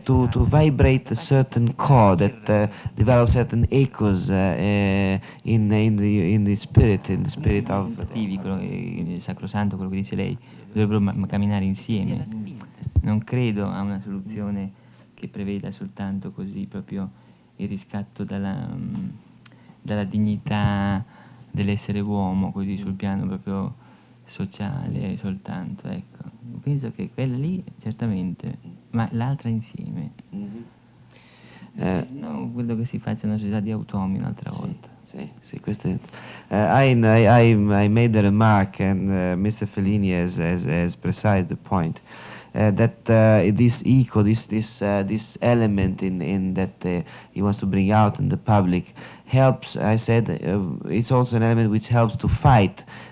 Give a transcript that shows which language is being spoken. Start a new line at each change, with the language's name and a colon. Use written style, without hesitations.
English: To vibrate a certain core that develops certain echoes in the spirit of
Italian: sacrosanto, quello che dice lei, dovrebbero camminare insieme. Non credo a una soluzione che preveda soltanto così proprio il riscatto dalla dignità dell'essere uomo, così sul piano proprio sociale soltanto, ecco. Penso che quella lì certamente, ma l'altra insieme. Mm-hmm. No, quello che si faccia una società di automi un'altra volta. Sì, questo è.
English: I made the remark, and Mr. Fellini has precise the point that this eco, this element in that he wants to bring out in the public helps. I said it's also an element which helps to fight.